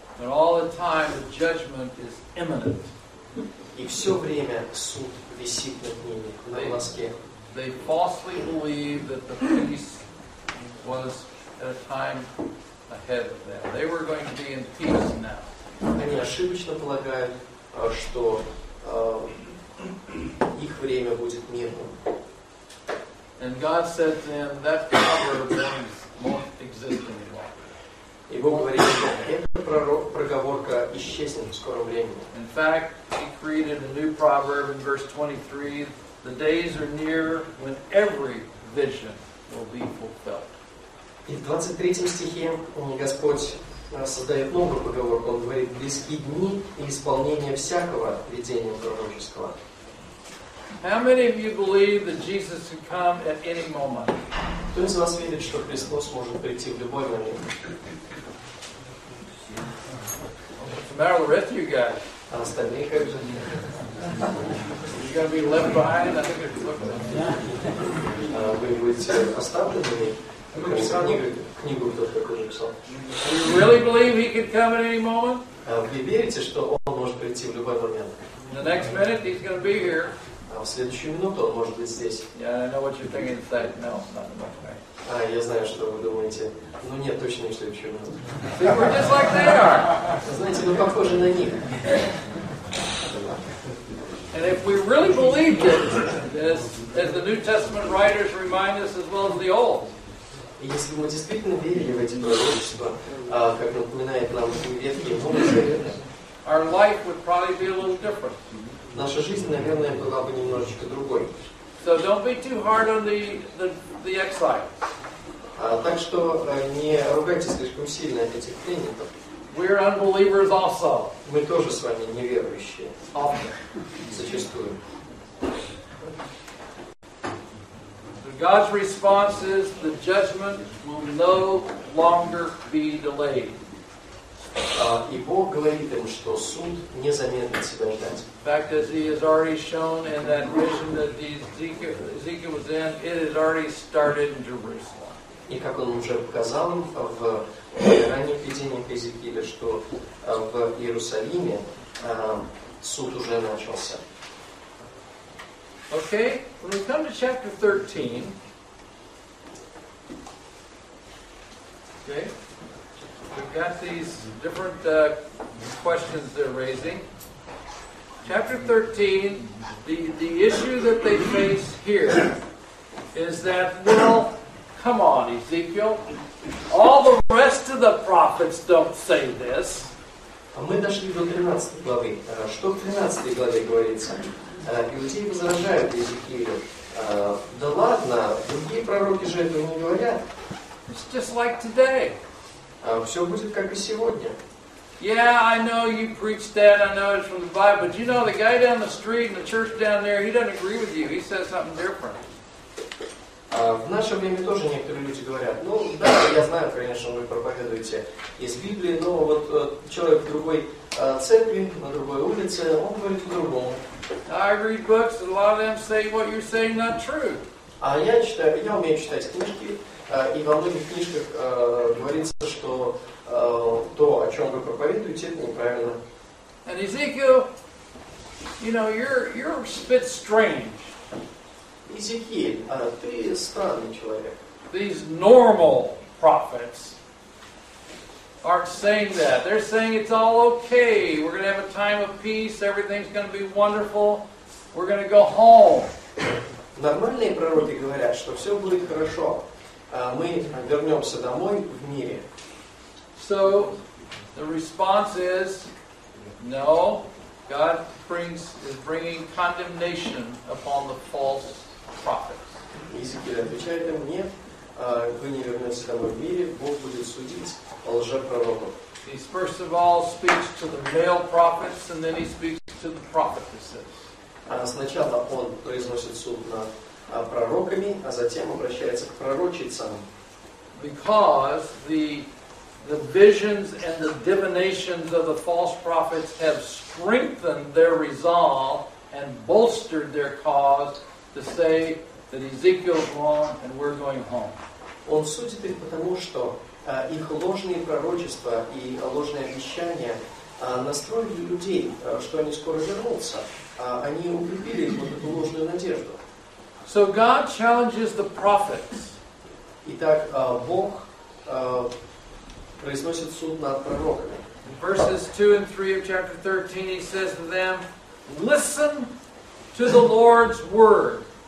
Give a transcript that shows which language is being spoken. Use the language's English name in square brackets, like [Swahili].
[English] But all the time the judgment is imminent. [Russian] И все время суд висит над ними на волоске. [English] They falsely believe that the peace was at a time ahead of them. They were going to be in peace now. [Russian] Они ошибочно полагают, что их время будет мирным. [English] And God said to them, that proverb won't exist any longer. [Russian] И Бог говорит, что эта проговорка исчезнет в скором времени. [English] In fact, he created a new proverb in verse 23, the days are near when every vision will be fulfilled. [Russian] И в 23 стихе Господь создает новую поговорку. Он говорит, близки дни и исполнение всякого видения пророческого. [English] How many of you believe that Jesus can come at any moment? [Russian] Кто из вас верит, что Христос может прийти в любой момент? [English] What's the matter with the rest of you guys? [Russian] А остальные как же? [English] You're going to be left behind? I think [Russian] вы будете оставлены? Книгу кто-то такой написал. [English] Do you really believe he could come at any moment? [Russian] Вы верите, что он может прийти в любой момент? [English] In the next minute he's going to be here. [Russian] В следующую минуту он может быть здесь. [English] Yeah, I know what you're thinking. That. No, it's not much, right? [Russian] Я знаю, что вы думаете. Ну нет, точно не в следующую минуту. [English] See, we're just like they are. [Russian] Знаете, ну похоже на них. [English] And if we really believed it, as the New Testament writers remind us, as well as the Old. [Russian] И если мы действительно верили в эти пророчества, как напоминает нам Ветхий Новый [English] our life would probably be a little different. [Russian] Наша жизнь, наверное, была бы немножечко другой. [English] So don't be too hard on the exiles. [Russian] Так что не ругайте слишком сильно этих клиентов. [English] We are unbelievers also. [Russian] Мы тоже с вами неверующие. [English] Often. [Russian] Зачастую. [English] God's response is the judgment will no longer be delayed. [Russian] И Бог говорит им, что суд не замедлит себя ждать. [English] In fact, as he has already shown in that vision that Ezekiel was in, it has already started in Jerusalem. [Russian] И как он уже показал им в ранних видениях Иезекииля, что в Иерусалиме суд уже начался. [English] Okay, when we come to chapter 13, okay, we've got these different questions they're raising. Chapter 13, the issue that they face here is that, well, come on, Ezekiel, all the rest of the prophets don't say this. [Russian] А мы дошли до 13 главы. Что в 13 главе говорится? Иудеи возражают Иезекиилю. Да ладно, другие пророки же этого не говорят. [English] It's just like today. [Russian] Все будет как и сегодня. [English] Yeah, I know you preach that, I know it's from the Bible, but you know, the guy down the street and the church down there, he doesn't agree with you, he says something different. [Russian] В наше время тоже некоторые люди говорят, ну да, я знаю, конечно, вы проповедуете из Библии, но вот человек в другой церкви, на другой улице, он говорит по-другому. [English] I read books, and a lot of them say what you're saying not true. [Russian] А я читаю, я умею читать книжки, и во многих книжках говорится, что то, о чем вы проповедуете, это неправильно. [English] And Ezekiel, you know, you're a bit strange. [Russian] Иезекииль, ты странный человек. [English] These normal prophets aren't saying that. They're saying it's all okay. We're going to have a time of peace. Everything's going to be wonderful. We're going to go home. [Russian] Нормальные пророки говорят, что все будет хорошо. Мы вернемся домой в мире. [English] So, the response is, no, God is bringing condemnation upon the false prophets. [Russian] Иезекииль отвечает им, нет, вы не вернетесь домой в мире, Бог будет судить лжепророков. [English] He first of all speaks to the male prophets, and then he speaks to the prophetesses. [Russian] Сначала он произносит суд над пророками, а затем обращается к пророчицам. [English] Because the visions and the divinations of the false prophets have strengthened their resolve and bolstered their cause to say that Ezekiel's wrong and we're going home. [Russian] Он судит их потому, что их ложные пророчества и ложные обещания настроили людей, что они скоро вернутся. Они укрепили их вот эту ложную надежду. [English] So God challenges the prophets. [Russian] Итак, Бог произносит суд над пророками. [English] In verses 2 and 3 of chapter 13, he says to them, listen to the Lord's word.